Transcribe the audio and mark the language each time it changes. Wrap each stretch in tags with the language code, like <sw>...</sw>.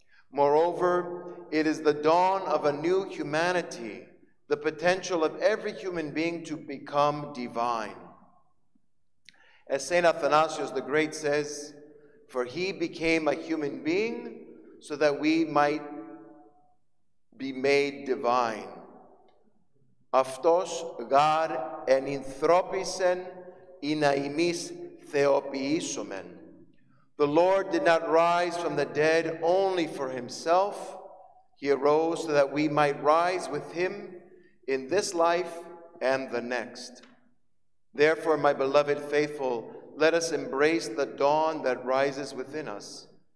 <en>Moreover, it is the dawn of a new humanity, the potential of every human being to become divine. As Saint Athanasius the Great says, "For he became a human being so that we might be made divine.</en> <el>Αυτός γάρ ενυνθρώπισεν ή να ημείς θεοποιήσομεν."</el> <en>The Lord did not rise from the dead only for himself. He arose so that we might rise with him in this life and the next. Therefore, my beloved faithful, let us embrace the dawn that rises within us.</en>